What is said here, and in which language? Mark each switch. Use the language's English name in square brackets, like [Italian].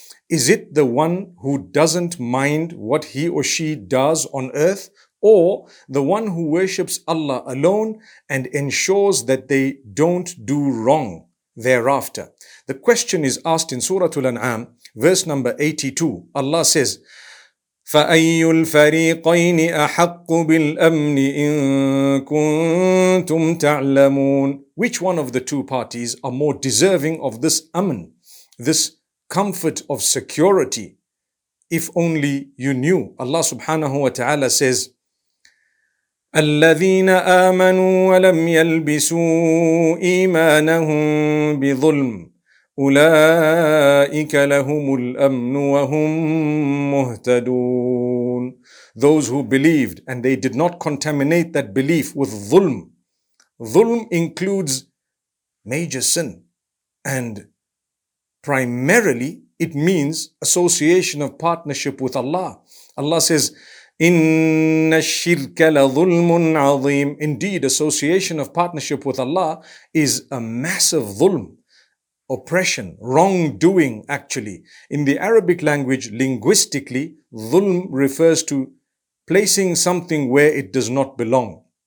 [English] Is it the one who doesn't mind what he or she does on earth, or the one who worships Allah alone and ensures that they don't do wrong thereafter? The question is asked in Surah Al-An'am, verse number 82. Allah says, [Arabic] فَأَيُّ الْفَرِيقَيْنِ أَحَقُّ بِالْأَمْنِ إِن كُنْتُمْ تَعْلَمُونَ. [English] Which one of the two parties are more deserving of this amn, this comfort of security, if only you knew? Allah subhanahu wa ta'ala says, [Arabic] الَّذِينَ آمَنُوا وَلَمْ يَلْبِسُوا إِيمَانَهُمْ بِظُلْمٍ أُولَٰئِكَ لَهُمُ الْأَمْنُ وَهُمْ مُهْتَدُونَ. [English] Those who believed and they did not contaminate that belief with dhulm. Dhulm includes major sin, and primarily it means association of partnership with Allah. Allah says, [Arabic] إِنَّ الشِّرْكَ لَظُلْمٌ عَظِيمٌ. [English] Indeed, association of partnership with Allah is a massive dhulm. Oppression, wrongdoing actually. In the Arabic language, linguistically, dhulm refers to placing something where it does not belong.